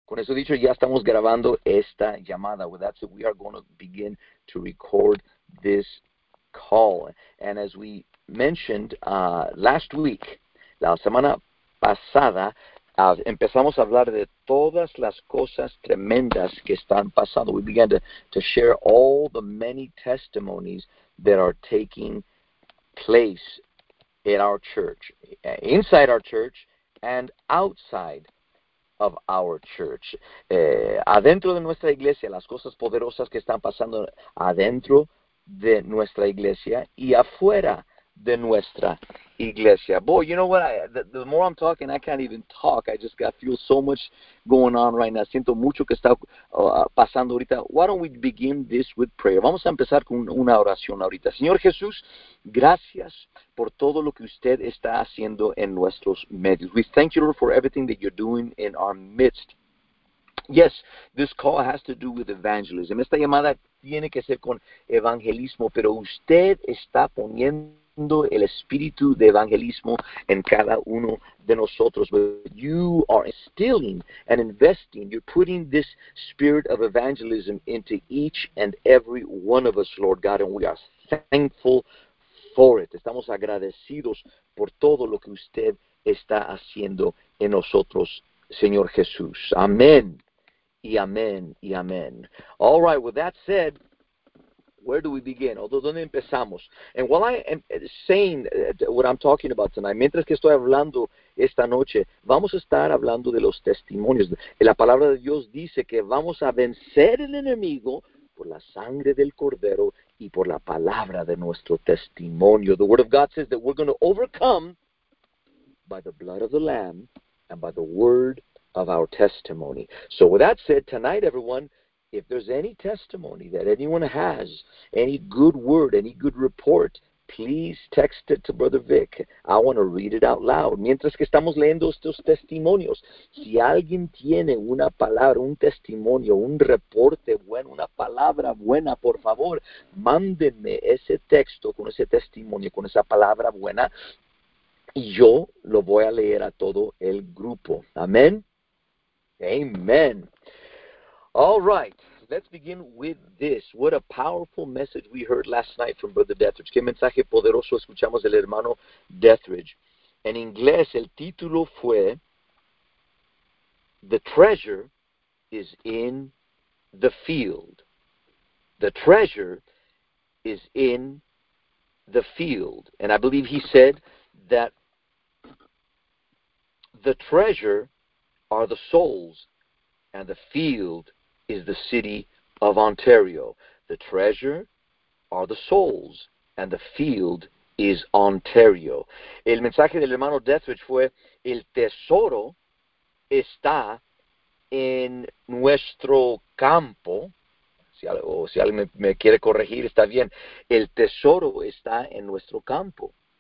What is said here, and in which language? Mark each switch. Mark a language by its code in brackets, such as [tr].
[es] Con eso dicho, ya estamos grabando esta llamada. [en] With that said, we are going to begin to record this call. And as we mentioned last week, [es] la semana pasada, empezamos a hablar de todas las cosas tremendas que están pasando. [en] We began to share all the many testimonies that are taking place in our church, inside our church and outside of our church. [es] Adentro de nuestra iglesia, las cosas poderosas que están pasando adentro de nuestra iglesia y afuera de nuestra iglesia. [en] Boy, you know what? The more I'm talking, I can't even talk. I just got feel so much going on right now. [es] Siento mucho que está pasando ahorita. [en] Why don't we begin this with prayer? [es] Vamos a empezar con una oración ahorita. Señor Jesús, gracias por todo lo que usted está haciendo en nuestros medios. [en] We thank you, Lord, for everything that you're doing in our midst. Yes, this call has to do with evangelism. [es] Esta llamada tiene que ser con evangelismo, pero usted está poniendo el espíritu de evangelismo en cada uno de nosotros. [en] But you are instilling and investing. You're putting this spirit of evangelism into each and every one of us, Lord God, and we are thankful for it. [es] Estamos agradecidos por todo lo que usted está haciendo en nosotros, Señor Jesús. Amén y amén y amén. [en] All right, with that said, where do we begin? [es] Although, ¿dónde empezamos? [en] And while I am saying what I'm talking about tonight, [es] mientras que estoy hablando esta noche, vamos a estar hablando de los testimonios. La palabra de Dios dice que vamos a vencer el enemigo por la sangre del cordero y por la palabra de nuestro testimonio. [en] The word of God says that we're going to overcome by the blood of the Lamb and by the word of our testimony. So with that said, tonight, everyone, if there's any testimony that anyone has, any good word, any good report, please text it to Brother Vic. I want to read it out loud. [es] Mientras que estamos leyendo estos testimonios, si alguien tiene una palabra, un testimonio, un reporte bueno, una palabra buena, por favor, mándenme ese texto con ese testimonio, con esa palabra buena, y yo lo voy a leer a todo el grupo. [en] Amén. Amén. All right, let's begin with this. What a powerful message we heard last night from Brother Dethridge. [es] Qué mensaje poderoso escuchamos del hermano Dethridge. En inglés, el título fue, [en] "The treasure is in the field." The treasure is in the field. And I believe he said that the treasure are the souls and the field is the city of Ontario. The treasure are the souls, and the field is Ontario. [es] El mensaje del hermano Dethridge fue, el tesoro está en nuestro campo. Si alguien me quiere corregir, está bien. El tesoro está en nuestro campo.